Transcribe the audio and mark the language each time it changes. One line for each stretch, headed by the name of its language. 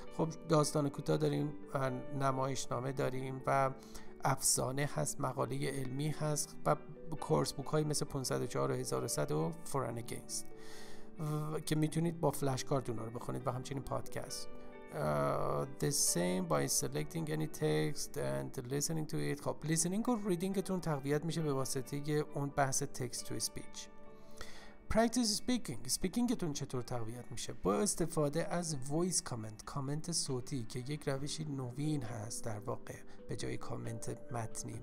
Persian: خب داستان کوتاه داریم، نمایشنامه داریم و افسانه هست، مقاله علمی هست و کورس بوک های مثل 504 و 1100 و For and Against که میتونید با فلش کارت اونا رو بخونید و همچنین پادکست.
English: The same by selecting any text and listening to it.
Persian: خب listening و readingتون تقویت میشه به واسطه اون بحث text to speech.
English: Practice speaking.
Persian: Speakingتون چطور تقویت میشه؟ با استفاده از voice comment، کامنت صوتی که یک روشی نوین هست در واقع به جای کامنت متنی.